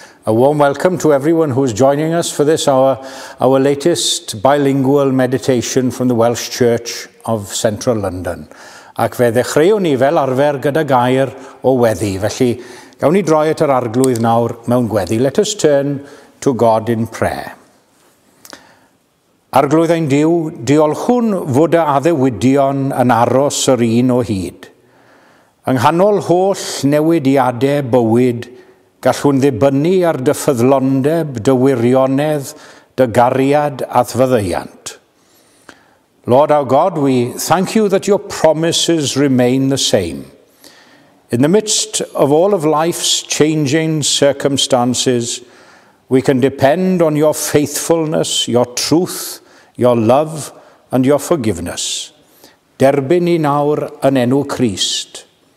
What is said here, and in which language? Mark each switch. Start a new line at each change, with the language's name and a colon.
English: A warm welcome to everyone who's joining us for this our latest bilingual meditation from the Welsh Church of Central London.
Welsh: Ac fe ddechreuwn ni fel arfer gyda gair o weddi. Felly, gawn ni droi at yr arglwydd nawr mewn gweddi.
English: Let us turn to God in prayer.
Welsh: Arglwydd ein Diw, diolchwn fod y addewidion yn aros yr un o hyd. Yng nghanol holl newidiadau bywyd, gallwn ddibynnu ar dy ffyddlondeb, dy wirionedd, dy gariad a thfyddeiant.
English: Lord our God, we thank you that your promises remain the same. In the midst of all of life's changing circumstances, we can depend on your faithfulness, your truth, your love, and your forgiveness.
Welsh: Derbyn ni nawr yn enw Christ.